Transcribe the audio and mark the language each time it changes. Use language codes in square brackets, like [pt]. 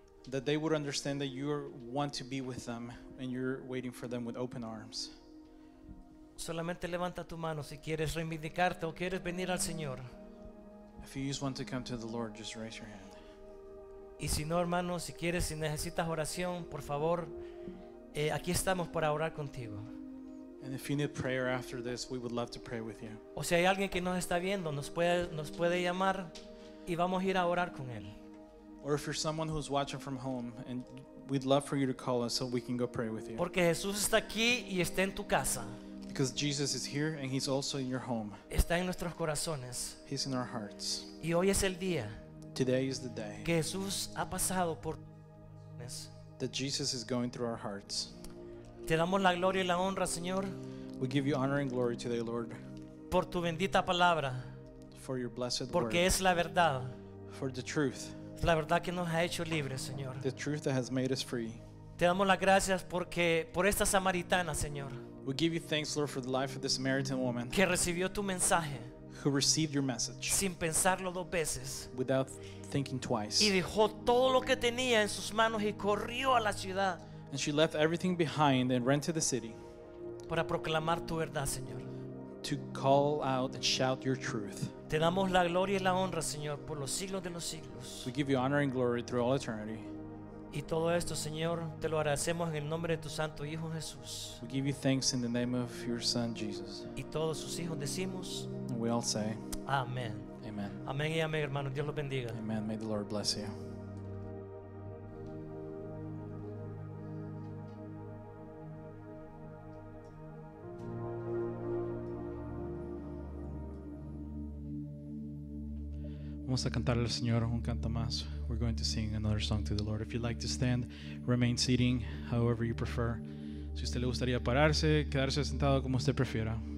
[en] That they would understand that you want to be with them and you're waiting for them with open arms. [es] Solamente levanta tu mano si quieres reivindicarte o quieres venir al Señor. [en] If you just want to come to the Lord, just raise your hand. [es] Y si no, hermano, si quieres, si necesitas oración, por favor, aquí estamos para orar contigo. [en] And if you need prayer after this, we would love to pray with you. [es] O si hay alguien que nos está viendo, nos puede llamar y vamos a ir a orar con él. [en] Or if you're someone who's watching from home, and we'd love for you to call us so we can go pray with you. [es] Porque Jesús está aquí y está en tu casa. [en] Because Jesus is here and he's also in your home. [es] Está en nuestros corazones. [en] He's in our hearts. [es] Y hoy es el día. [en] Today is the day. [es] Que Jesús ha pasado por. [en] That Jesus is going through our hearts. [es] Te damos la gloria y la honra, Señor. [en] We give you honor and glory today, Lord. [es] Por tu bendita palabra. [en] for your blessed [es] Porque [en] word. [es] Es la verdad. [en] For the truth. [es] La verdad que nos ha hecho libres, Señor. [en] The truth that has made us free. [es] Te damos las gracias porque por esta samaritana, Señor. [en] We give you thanks, Lord, for the life of this Samaritan woman. [es] Que recibió tu mensaje. [en] Who received your message. [es] Sin pensarlo dos veces. [en] Without thinking twice. [es] Y dejó todo lo que tenía en sus manos y corrió a la ciudad. [en] And she left everything behind and ran to the city. [es] Para proclamar tu verdad, Señor. [en] To call out and shout your truth. [es] Te damos la gloria y la honra, Señor, por los siglos de los siglos. [en] We give you honor and glory through all eternity. [es] Y todo esto, Señor, te lo agradecemos en el nombre de tu santo Hijo Jesús. [en] We give you thanks in the name of your son Jesus. [es] Y todos sus hijos decimos. [en] And we all say. [es] Amén. [en] Amen. [es] Amén y amén, hermanos. Dios los bendiga. [en] Amen. May the Lord bless you. [es] Vamos a cantar al Señor un canto más. [en] We're going to sing another song to the Lord. If you'd like to stand, remain sitting, however you prefer. [es] Si usted le gustaría pararse, quedarse sentado, como usted prefiera.